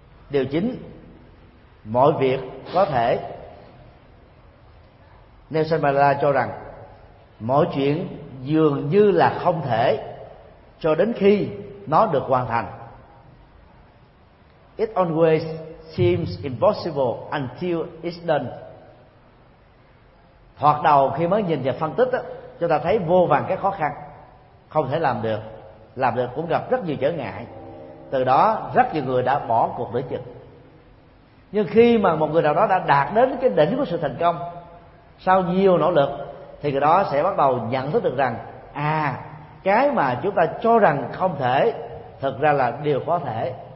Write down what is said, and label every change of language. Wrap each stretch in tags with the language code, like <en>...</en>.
<vi>Điều chính, mọi việc có thể. Nelson Mandela cho rằng mọi chuyện dường như là không thể cho đến khi nó được hoàn thành.</vi> <en>It always seems impossible until it's done.</en> <vi>Thoạt đầu khi mới nhìn và phân tích đó, chúng ta thấy vô vàn cái khó khăn, không thể làm được. Làm được cũng gặp rất nhiều trở ngại. Từ đó rất nhiều người đã bỏ cuộc nửa chừng. Nhưng khi mà một người nào đó đã đạt đến cái đỉnh của sự thành công sau nhiều nỗ lực, thì người đó sẽ bắt đầu nhận thức được rằng, à, cái mà chúng ta cho rằng không thể thực ra là điều có thể.</vi>